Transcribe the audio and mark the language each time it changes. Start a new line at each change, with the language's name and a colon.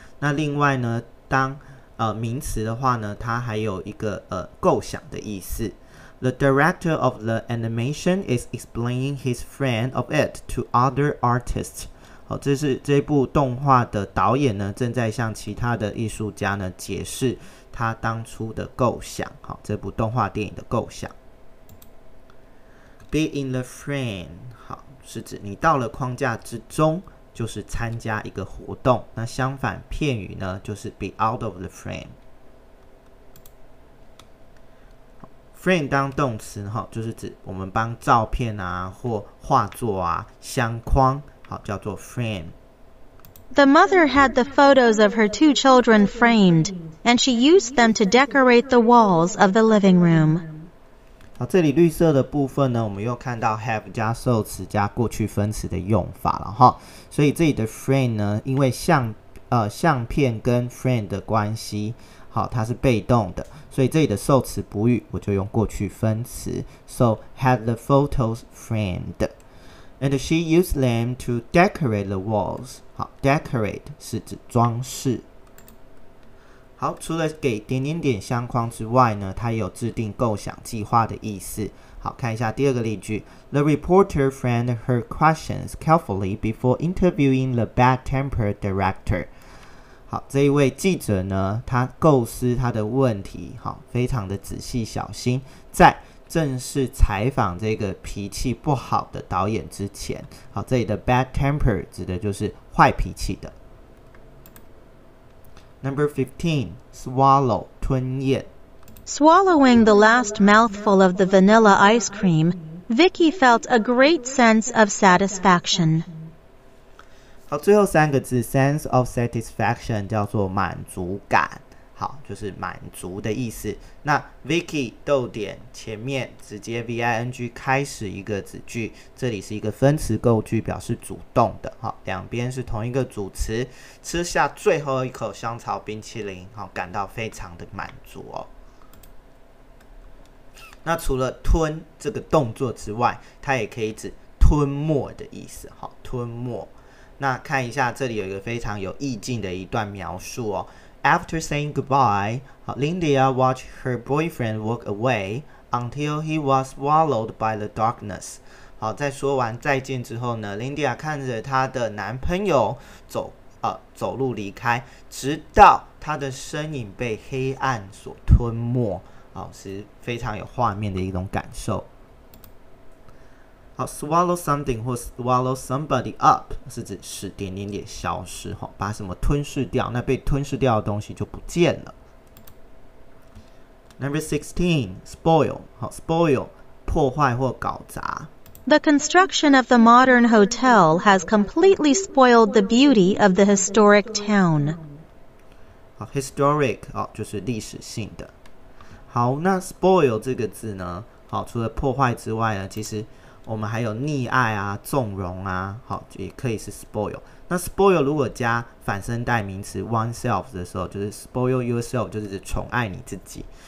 Chinese: 那另外呢，当名词的话呢，它还有一个构想的意思。
English: The director of the animation is explaining his frame of it to other artists.
Chinese: 好，这是这部动画的导演呢，正在向其他的艺术家呢解释他当初的构想。好，这部动画电影的构想。Be in the frame， 好，是指你到了框架之中，就是参加一个活动。那相反片语呢，就是 be out of the frame。 Frame 当动词，好，就是指我们帮照片啊或画作啊相框。好，叫做 frame。
English: The mother had the photos of her two children framed, and she used them to decorate the walls of the living room.
Chinese: 好，这里绿色的部分呢，我们又看到 have 加受词加过去分词的用法了哈。所以这里的 friend 呢，因为相片跟 friend 的关系，好，它是被动的，所以这里的受词补语我就用过去分词 ，
English: so had the photos framed, and she used them to decorate the walls.
Chinese: 好 ，decorate 是指装饰。好，除了给点点点相框之外呢，它也有制定构想计划的意思。好，看一下第二个例句
English: ，The reporter framed her questions carefully before interviewing the bad-tempered director.
Chinese: 好，这一位记者呢，他构思他的问题，好，非常的仔细小心，在正式采访这个脾气不好的导演之前，好，这里的 bad-tempered 指的就是坏脾气的。
English: Number 15, swallow, 吞咽。 Swallowing the last mouthful of the vanilla ice cream, Vicky felt a great sense of satisfaction.
Chinese: 好，最后三个字 sense of satisfaction 叫做满足感，好，就是满足的意思。那 Vicky 逗点前面直接 V-I-N-G 开始一个子句，这里是一个分词构句，表示主动的，好，两边是同一个主词，吃下最后一口香草冰淇淋，好，感到非常的满足哦。那除了吞这个动作之外，它也可以指吞没的意思，好，吞没。那看一下这里有一个非常有意境的一段描述哦。
English: After saying goodbye, Lyndia watched her boyfriend walk away until he was swallowed by the darkness.
Chinese: 好，在说完再见之后呢， Lyndia 看着她的男朋友 走路离开，直到她的身影被黑暗所吞没。好，是非常有画面的一种感受。好， swallow something 或 swallow somebody up 是指使点点点消失，把什么吞噬掉，那被吞噬掉的东西就不见了。
English: Number 16, spoil.
Chinese: 好， spoil 破坏或搞砸。
English: The construction of the modern hotel has completely spoiled the beauty of the historic town.
Chinese: 好， historic 好，就是历史性的。好，那 spoil 这个字呢，好，除了破坏之外呢，其实我们还有溺爱啊，纵容啊，好，也可以是 spoil。那 spoil 如果加反身代名词 oneself 的时候，就是 spoil yourself， 就是宠爱你自己。